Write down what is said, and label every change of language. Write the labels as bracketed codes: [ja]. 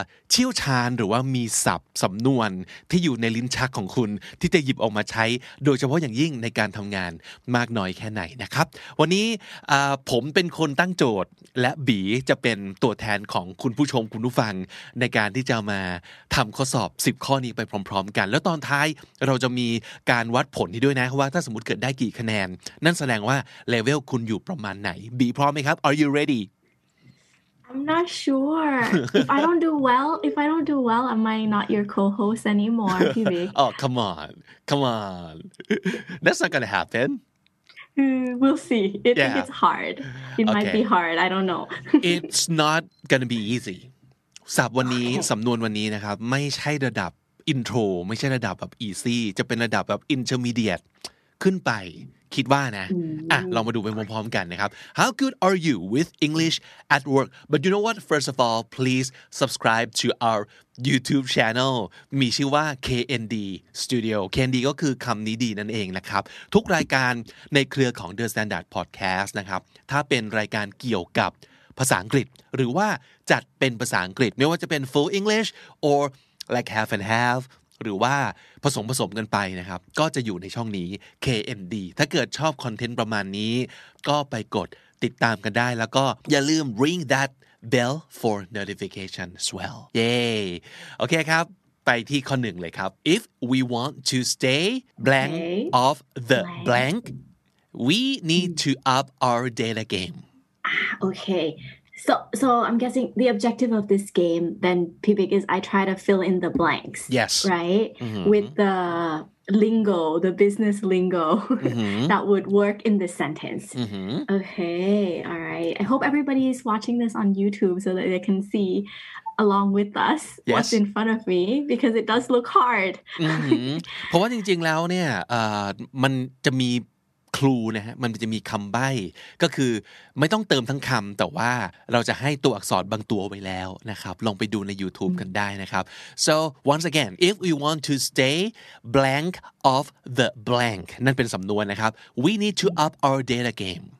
[th] เชี่ยวชาญหรือว่ามีศัพท์สำนวนที่อยู่ในลิ้นชักของคุณที่จะหยิบออกมาใช้โดยเฉพาะอย่างยิ่งในการทำงานมากน้อยแค่ไหนนะครับวันนี้ผมเป็นคนตั้งโจทย์และบีจะเป็นตัวแทนของคุณผู้ชมคุณผู้ฟังในการที่จะมาทำข้อสอบ10ข้อนี้ไปพร้อมๆกันแล้วตอนท้ายเราจะมีการวัดผลที่ด้วยนะว่าถ้าสมมุติเกิดได้กี่คะแนนนั่นแสดงว่าเลเวลคุณอยู่ประมาณไหนบีพร้อมไหมครับ [en] Are you ready I'm not sure if I don't do well am I not your co-host anymore พี่บิ๊ก Oh come on that's not gonna happen we'll see I think it's hard it okay. might be hard I don't know it's not gonna be easy สับวันนี้สำนวนวันนี้นะครับไม่ใช่ระดับอินโทรไม่ใช่ระดับแบบอีซี่จะเป็นระดับแบบอินเตอร์มีเดียตขึ้นไปคิดว่านะอ่ะเรามาดูไปพร้อมๆกันนะครับ How good are you with English at work? But you know what? First of all, please subscribe to our YouTube channel มีชื่อว่า KND Studio KND ก็คือคำนี้ดีนั่นเองนะครับทุกรายการในเครือของ The Standard Podcast นะครับถ้าเป็นรายการเกี่ยวกับภาษาอังกฤษหรือว่าจัดเป็นภาษาอังกฤษไม่ว่าจะเป็น Full English orLike half and half หรือว่าผสมกันไปนะครับก็จะอยู่ในช่องนี้ KND ถ้าเกิดชอบคอนเทนต์ประมาณนี้ [th] ก็ไปกดติดตามกันได้แล้วก็อย่าลืม [en] ring that bell for notification as well [th] เย้โอเคครับไปที่ข้อหนึ่งเลยครับ [en] if we want to stay blank of the blank we need to up our data game okaySo I'm guessing the objective of this game, then, Pibik, is I try to fill in the blanks. Yes. Right? Mm-hmm. With the lingo, the business lingo mm-hmm. that would work in this sentence. Mm-hmm. Okay. All right. I hope everybody is watching this on YouTube so that they can see along with us yes. what's in front of me, because it does look hard. [th] เพราะว่าจริงๆแล้วเนี่ยมันจะมีครูนะฮะมันจะมีคำใบ้ก็คือไม่ต้องเติมทั้งคำแต่ว่าเราจะให้ตัวอักษรบางตัวไว้แล้วนะครับลองไปดูใน YouTube กันได้นะครับ [en] So once again if we want to stay blank of the blank [th] นั่นเป็นสำนวนนะครับ [en] we need to up our data game